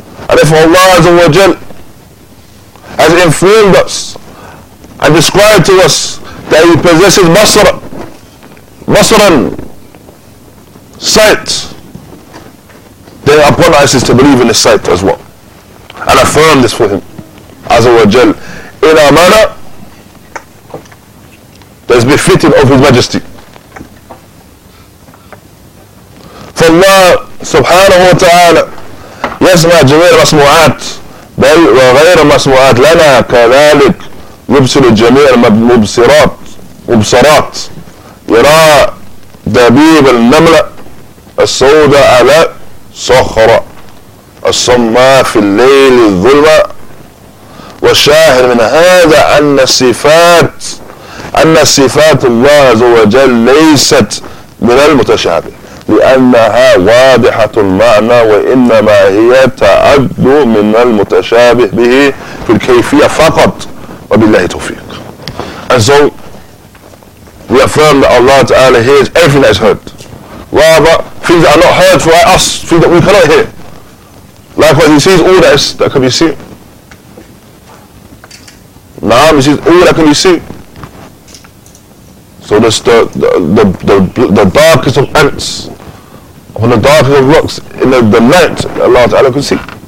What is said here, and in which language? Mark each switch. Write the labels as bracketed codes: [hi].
[en] And if Allah Azza wa Jal has informed us and described to us that He possesses basran, sight, then upon us is to believe in the sight as well and affirm this for Him Azza wa Jal in a manner that is befitting of His Majesty. [ar] فالله سبحانه وتعالى يسمع جميع المسموعات بل وغير مسموعات لنا كذلك نبصر الجميع مبصرات مبصرات يرى دبيب النملة السوداء على صخرة الصماء في الليل الظلمة. والشاهد من هذا أن الصفات أن صفات الله عز وجل ليست من المتشابه لأنها واضحة المعنى وإنما هي تعد من المتشابه به في الكيفية فقط. وبالله توفيق. [en] And so we affirm that Allah Ta'ala hears everything that is heard. Rather, things that are not heard for us, things that we cannot hear. Likewise, he sees all that, that can be seen. Na'am, he sees all that can be seen. So the darkest of ants, on the darkest of rocks, in the night, Allah Ta'ala can see.